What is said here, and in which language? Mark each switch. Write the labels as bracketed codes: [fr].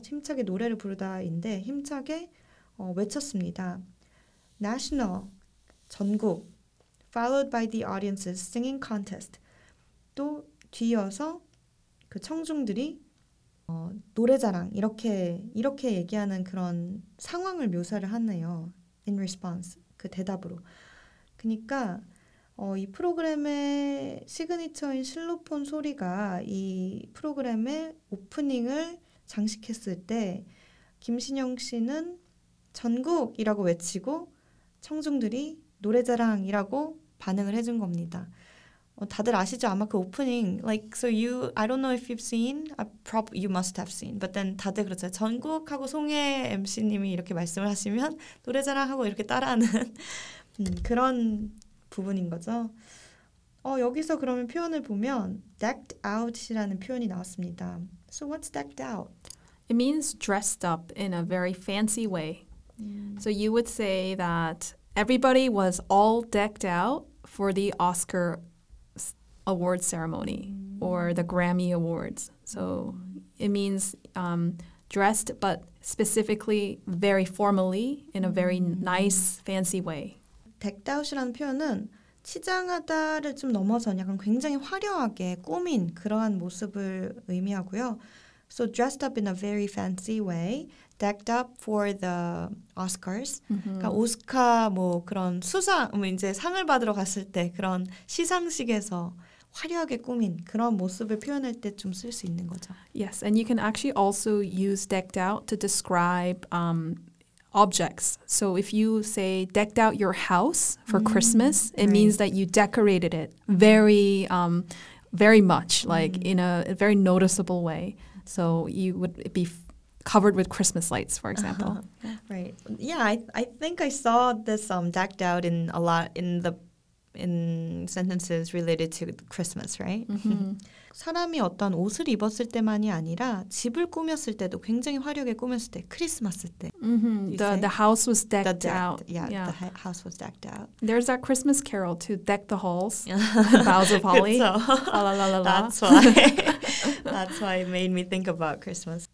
[ko] 힘차게 노래를 부르다인데 힘차게 외쳤습니다. [en] National, 전국, followed by the audience's singing contest. [ko] 또 뒤이어서 그 청중들이 노래자랑 이렇게 얘기하는 그런 상황을 묘사를 하네요. [en] In response, [ko] 그 대답으로. 그러니까 이 프로그램의 시그니처인 실로폰 소리가 이 프로그램의 오프닝을 장식했을 때 김신영 씨는 전국이라고 외치고 청중들이 노래자랑이라고 반응을 해준 겁니다. 다들 아시죠? 아마 그 오프닝 [en] like so you I don't know if you've seen you must have seen but then [ko] 다들 그렇죠. 전국하고 송혜 MC님이 이렇게 말씀을 하시면 노래자랑하고 이렇게 따라하는 그런 부분인 거죠. 여기서 그러면 표현을 보면 decked out이라는 표현이 나왔습니다. [en] So what's decked out? It means dressed up in a very fancy way. So you would say that everybody was all decked out for the Oscar award ceremony or the Grammy awards. So it means dressed, but specifically very formally in a very nice, fancy way. [ko] Decked out이라는 표현은 치장하다를 좀 넘어선 약간 굉장히 화려하게 꾸민 그러한 모습을 의미하고요. [en] So dressed up in a very fancy way, decked up for the Oscars. Mm-hmm. [ko] 그러니까 오스카 뭐 그런 수상 뭐 이제 상을 받으러 갔을 때 그런 시상식에서 화려하게 꾸민 그런 모습을 표현할 때 좀 쓸 수 있는 거죠. [en] Yes, and you can actually also use decked out to describe objects. So if you say decked out your house for Christmas, it right. means that you decorated it very, very much, like in a very noticeable way. So you would be covered with Christmas lights, for example. Uh-huh. Right. Yeah, I think I saw this decked out in a lot in sentences related to Christmas, right? Mm-hmm. [ko] 사람이 어떤 옷을 입었을 때만이 아니라 집을 꾸몄을 때도 굉장히 화려하게 꾸몄을 때, 크리스마스 때. [en] Mm-hmm. The house was decked out. Yeah, the house was decked out. There's that Christmas carol to deck the halls, boughs of holly. la, la, la, la. That's why it made me think about Christmas.